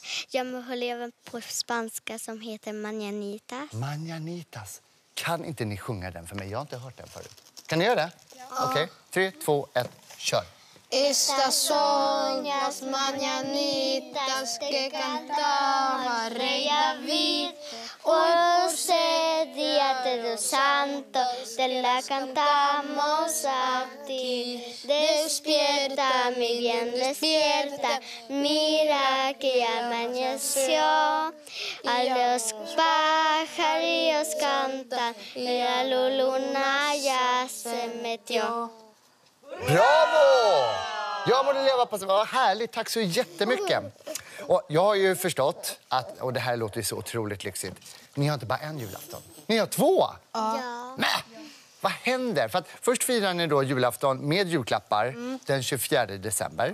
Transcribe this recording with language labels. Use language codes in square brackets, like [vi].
[sv] Jag må leva på spanska som heter Mañanitas. [es] Mañanitas. [sv] Kan inte ni sjunga den för mig? Jag har inte hört den förut. Kan ni göra det? Ja. Okej. Okay. 3, 2, 1. Kör. [es] Estas son las mañanitas que cantaba Rey David. Hoy es día de los santos, te la cantamos a ti. Despierta, mi bien, despierta, mira que amaneció. A los pájaros cantan, la luna ya se metió. ¡Bravo! [sv] Jag må leva på sig. Vad härligt, tack så jättemycket. Och jag har ju förstått att, och det här låter ju så otroligt lyxigt. Ni har inte bara en julafton, ni har två. Ja. Men, vad händer? För att först firar ni då julafton med julklappar den 24 december.